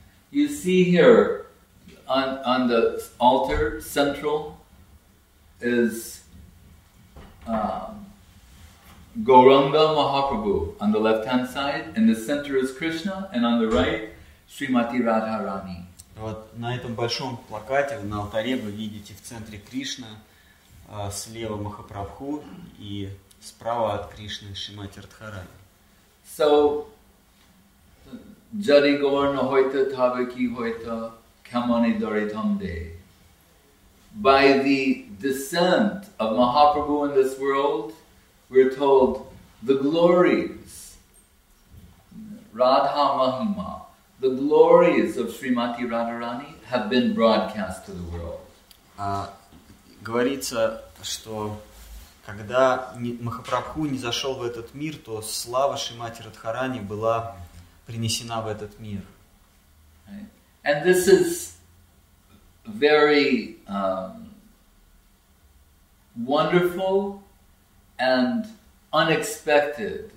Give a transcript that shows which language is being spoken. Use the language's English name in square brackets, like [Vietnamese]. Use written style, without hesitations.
[English] You see here on the altar central is Gauranga Mahaprabhu on the left-hand side, in the center is Krishna, and on the right, Srimati Radharani. [Russian] Вот на этом большом плакате на алтаре вы видите в центре Кришна, слева Махапрабху и справа от Кришны Шримати Радхарани. [Bangla] So, Jadi Govarna Hoita Tavaki Hoita Kamani Daritam Dei. [English] By the descent of Mahaprabhu in this world, we're told the glories, Radha Mahima, the glories of Srimati Radharani have been broadcast to the world. [Russian] Говорится, что когда Махапрабху не зашел в этот мир, то слава Шримати Радхарани была принесена в этот мир. [English] And this is very wonderful and unexpected.